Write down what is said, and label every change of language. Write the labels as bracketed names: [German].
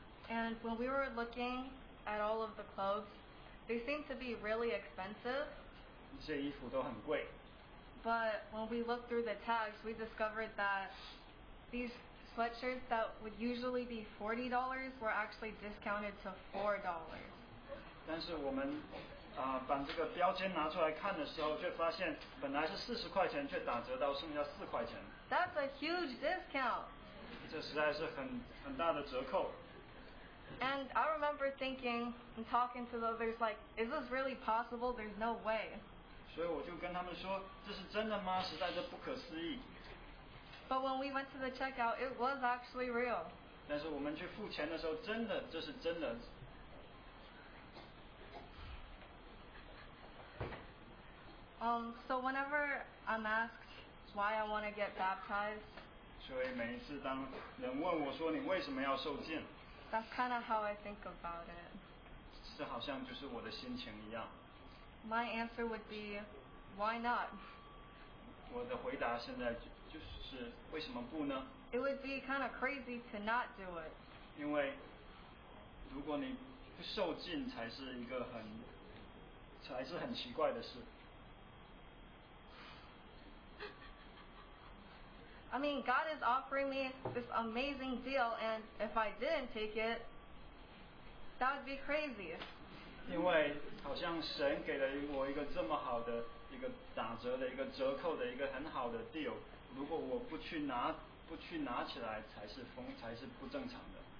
[English] And when we were looking at all of the clothes,They seem to be really expensive. [Chinese] 这些衣服都很贵。 [English] But when we looked through the tags, we discovered that these sweatshirts that would usually be $40 were actually discounted to $4. [Chinese] 但是我们把这个标签拿出来看的时候，却发现本来是40块钱，却打折到剩下4块钱。 [English] That's a huge discount. [Chinese] 这实在是很大的折扣。 [English] And I remember thinking and talking to the others like, is this really possible? There's no way. [Chinese] 所以我就跟他们说，这是真的吗？实在是不可思议。 [English] But when we went to the checkout, it was actually real. [Chinese] 但是我们去付钱的时候，真的，这是真的。 [English] So whenever I'm asked why I want to get baptized, [Chinese] 所以每一次当人问我说你为什么要受浸？ [English] That's kind of how I think about it. [Chinese] 这好像就是我的心情一样。 [English] My answer would be, why not? [Chinese] 我的回答现在就是为什么不呢？ [English] It would be kind of crazy to not do it. [Chinese] 因为如果你不受浸才是一个很才是很奇怪的事。 [English] I mean, God is offering me this amazing deal, and if I didn't take it, that would be crazy. [Chinese] 因为好像神给了我一个这么好的一个打折的一个折扣的一个很好的 deal, 如果我不去拿起来才是不正常的。